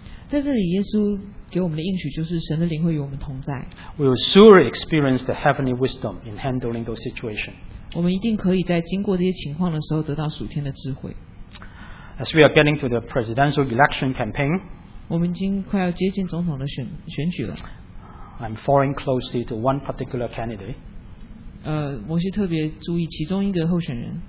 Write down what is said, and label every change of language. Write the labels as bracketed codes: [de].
[zh] 在这里，耶稣给我们的应许就是神的灵会与我们同在。 [en] We will surely experience the heavenly wisdom in handling those situations. [zh] 我们一定可以在经过这些情况的时候得到属天的智慧。 [en] As we are getting to the presidential election campaign, [zh] 我们已经快要接近总统的选举了。 [en] I'm following closely to one particular candidate. [zh] 我是特别注意其中一个候选人。